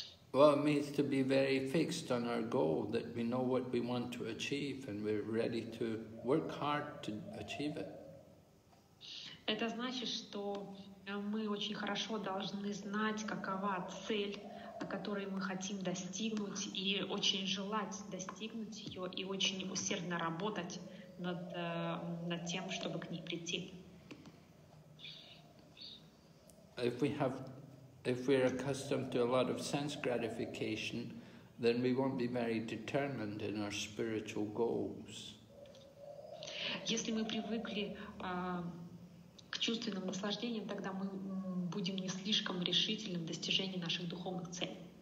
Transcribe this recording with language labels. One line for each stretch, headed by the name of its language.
English: Well, it means to be very fixed on our goal, that we know what we want to achieve and we're ready to work hard to achieve it.
Russian: Это значит, что мы очень хорошо должны знать, какова цель, которую мы хотим достигнуть, и очень желать достигнуть ее, и очень усердно работать над тем, чтобы к ней прийти.
English: If we're accustomed to a lot of sense gratification, then we won't be very determined in our spiritual goals.
Russian: Если мы привыкли к чувственным наслаждениям, тогда мы будем не слишком решительным в достижении наших духовных целей.